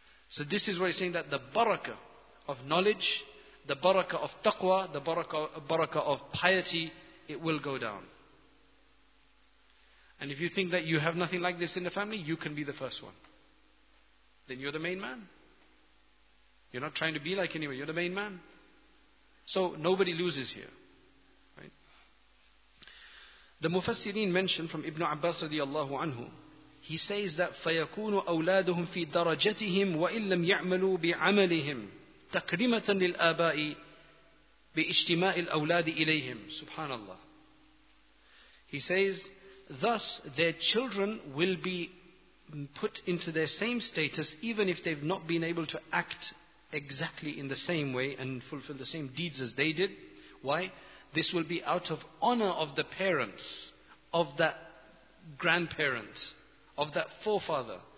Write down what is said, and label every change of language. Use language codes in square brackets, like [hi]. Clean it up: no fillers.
[en] So this is why he's saying that the barakah of knowledge, the barakah of taqwa, the barakah of piety, it will go down. And if you think that you have nothing like this in the family, you can be the first one. Then you're the main man. You're not trying to be like anyone, you're the main man. So nobody loses here. The Mufassirin mentioned from Ibn Abbas radiallahu anhu, he says that [ar] فَيَكُونُ أَوْلَادُهُمْ فِي دَرَجَتِهِمْ وَإِنْ لَمْ يَعْمَلُوا بِعَمَلِهِمْ تَكْرِمَةً لِلْآبَاءِ بِإِجْتِمَاءِ الْأَوْلَادِ إِلَيْهِمْ. Subhanallah. [en] He says, thus their children will be put into their same status even if they've not been able to act exactly in the same way and fulfill the same deeds as they did. Why? This will be out of honor of the parents, of that grandparent, of that forefather.